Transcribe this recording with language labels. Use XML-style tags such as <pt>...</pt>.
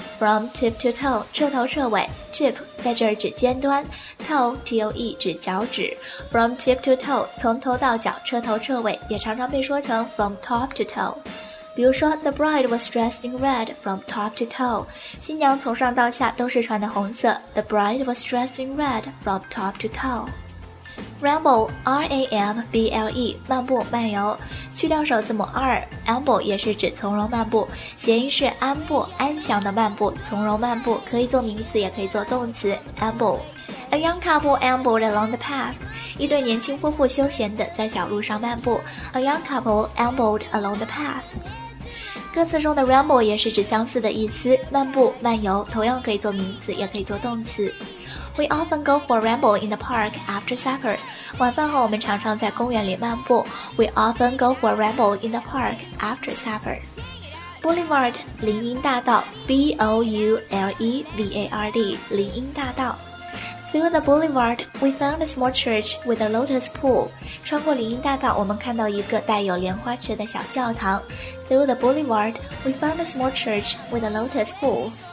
<zh>From tip to toe, 彻头彻尾。Tip 在这儿指尖端 ，toe T-O-E 指脚趾。 From tip to toe, 从头到脚，彻头彻尾，也常常被说成 from top to toe。</zh> <en>比如说，The bride was dressed in red from top to toe.</en> <zh>新娘从上到下都是穿的红色。</zh> <en>The bride was dressed in red from top to toe.</en> <zh>Ramble, R-A-M-B-L-E, 漫步、漫游。去掉首字母 R, Amble 也是指从容漫步，谐音是安步、安详的漫步、从容漫步，可以做名词，也可以做动词。</zh> <en>Amble, a young couple ambled along the path.</en> <zh>一对年轻夫妇休闲的在小路上漫步。</zh> <en>A young couple ambled along the path.</en> <zh>歌词中的 ramble 也是指相似的意思，漫步、漫游，同样可以做名词，也可以做动词。</zh> <en>We often go for a ramble in the park after supper.</en> <zh>晚饭后我们常常在公园里漫步。</zh> <en>We often go for a ramble in the park after supper.</en> <zh>Boulevard, 林荫大道 B-O-U-L-E-V-A-R-D, 林荫大道。</zh> <en>Through the boulevard, we found a small church with a lotus pool.</en> <zh>穿过林荫大道，我们看到一个带有莲花池的小教堂。</zh> <en>Through the boulevard, we found a small church with a lotus pool.</en>